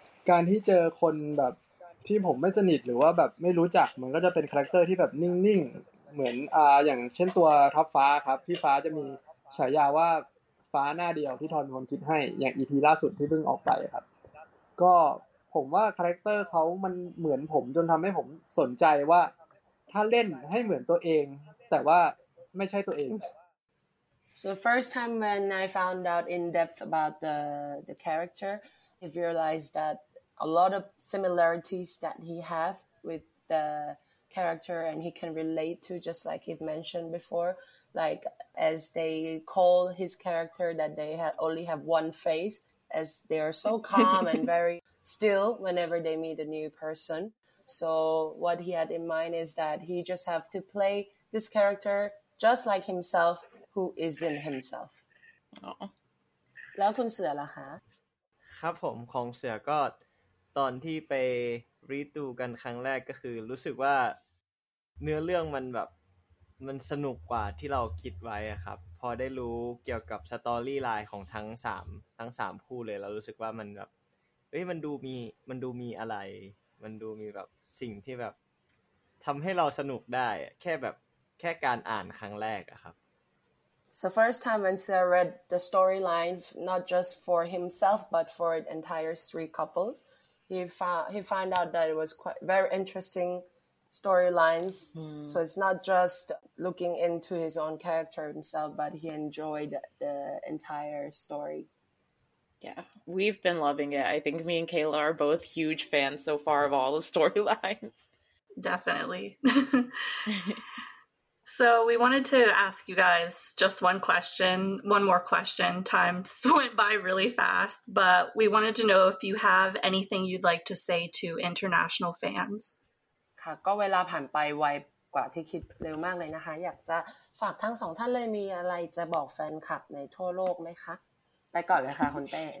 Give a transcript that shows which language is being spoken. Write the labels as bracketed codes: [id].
[th] การที่เจอคนแบบที่ผมไม่สนิทหรือว่าแบบไม่รู้จักมันก็จะเป็นคาแรคเตอร์ที่แบบนิ่งๆเหมือนอย่างเช่นตัวท็อปฟ้าครับพี่ฟ้าจะมีฉายาว่าฟ้าหน้าเดียวที่ทอนคนคิดให้อย่าง EP ล่าสุดที่เพิ่งออกไปครับก็ผมว่าคาแรคเตอร์เขามันเหมือนผมจนทำให้ผมสนใจว่าถ้าเล่นให้เหมือนตัวเองแต่ว่าไม่ใช่ตัวเอง [en] So first time when I found out in depth about the character I realized that a lot of similarities that he have with the character and he can relate to just like he mentioned beforeLike as they call his character that they only have one face as they are so calm and very still whenever they meet a new person. So what he had in mind is that he just have to play this character just like himself who isn't himself. Oh. [th] แล้วคุณเสือล่ะคะ ครับผมของเสือก็ตอนที่ไปรีดูกันครั้งแรกก็คือรู้สึกว่าเนื้อเรื่องมันแบบมันสนุกกว่าที่เราคิดไว้ครับพอได้รู้เกี่ยวกับสตอรี่ไลน์ของทั้ง3คู่เลยเรารู้สึกว่ามันแบบเฮ้ยมันดูมีอะไรมันดูมีแบบสิ่งที่แบบทำให้เราสนุกได้แค่การอ่านครั้งแรกอะครับ [en] So first time when Sarah read the storyline not just for himself but for the entire three couples he found out that it was quite very interestingstorylines so it's not just looking into his own character himself but he enjoyed the entire story yeah we've been loving it I think me and Kayla are both huge fans so far of all the storylines definitely so we wanted to ask you guys just one more question time went by really fast but we wanted to know if you have anything you'd like to say to international fans [th] ค่ะก็เวลาผ่านไปไวกว่าที่คิดเร็วมากเลยนะคะอยากจะฝากทั้งสองท่านเลยมีอะไรจะบอกแฟนคลับในทั่วโลกไหมคะไปก่อนเลยค่ะคุณเต